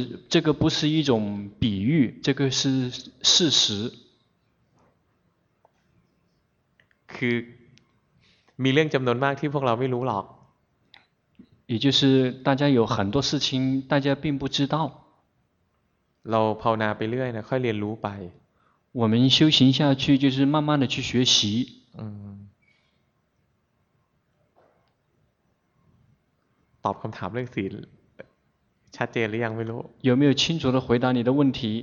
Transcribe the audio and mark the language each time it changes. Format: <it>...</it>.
<zh>这个不是一种比喻这个是事实</zh> <th>คือมีเรื่องจำนวนมากที่พวกเราไม่รู้หรอก</th> <zh>也就是大家有很多事情大家并不知道</zh> <th>เราภาวนาไปเรื่อยนะค่อยเรียนรู้ไป</th> <zh>我们修行下去就是慢慢的去学习</zh> <th>ตอบคำถามเรื่องศีลชัดเจนหรือยังไม่รู้</th> <zh>有没有清楚的回答你的问题</zh>